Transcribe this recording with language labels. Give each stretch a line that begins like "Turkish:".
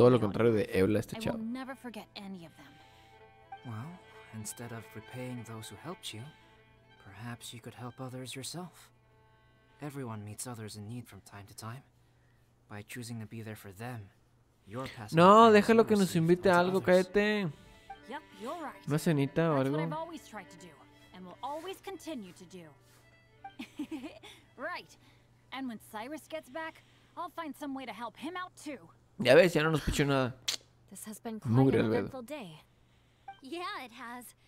Spanish: Todo lo contrario de Eula, este chavo.
English: I will never forget any of them. Well, instead of repaying those who helped you, perhaps you could help others yourself. Everyone meets others in need from time to time. By choosing to be there for them, you're passing.
Spanish: No, déjalo que nos invite a algo, cállate.
English: Yep, you're right.
Spanish: Una cenita o algo.
English: That's what I've always tried to do, and will always continue to do. Right. And when Cyrus gets back, I'll find some way to help him out too.
Spanish: Ya ves, ya no nos pichó nada.
English: This has been quite an eventful day. Yeah, it has.